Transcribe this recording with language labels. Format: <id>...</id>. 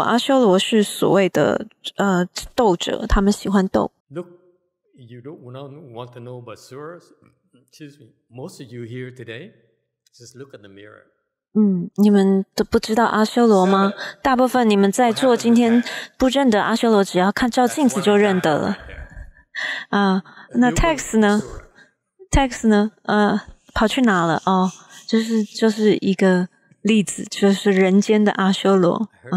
<zh>阿修罗是所谓的斗者，他们喜欢斗。</zh> <en>Look, you don't want to know about asuras. Excuse me. Most of you here today, just look at the mirror.</en> <zh>你们都不知道阿修罗吗？大部分你们在座今天不认得阿修罗，只要看照镜子就认得了。那 Tex 呢？跑去哪了？就是一个例子，就是人间的阿修罗。</zh>